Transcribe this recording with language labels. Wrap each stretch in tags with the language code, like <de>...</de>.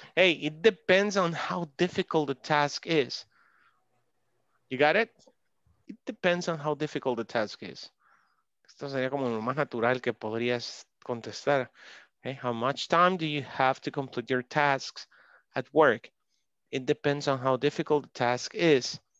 <en>Hey, it depends on how difficult the task is. You got it? It depends on how difficult the task is.</en> <es>Esto sería como lo más natural que podrías contestar.</es> <en>Okay, how much time do you have to complete your tasks at work? It depends on how difficult the task is.</en>